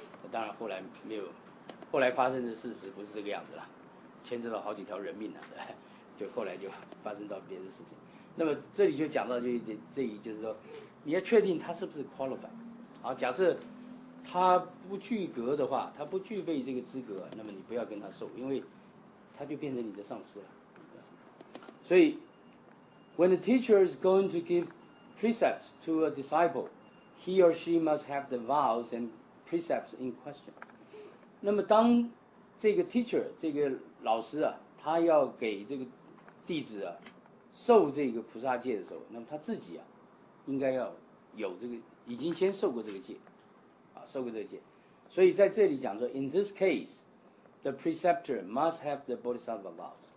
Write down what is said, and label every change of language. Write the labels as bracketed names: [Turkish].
[Chinese] 当然后来没有，后来发生的事实不是这个样子了，牵扯到好几条人命了，就后来就发生到别的事情。那么这里就讲到这一就是说，你要确定他是不是 qualified。好，假设他不具格的话，他不具备这个资格，那么你不要跟他受，因为他就变成你的上司了。所以 [English] when the teacher is going to give precepts to a disciple, he or she must have the vows and precepts in question. [Chinese] 那么当这个 teacher, 这个老师啊，他要给这个弟子啊受这个菩萨戒的时候，那么他自己啊应该要有这个已经先受过这个戒啊，受过这个戒。所以在这里讲说 [English] in this case, the preceptor must have the bodhisattva vows.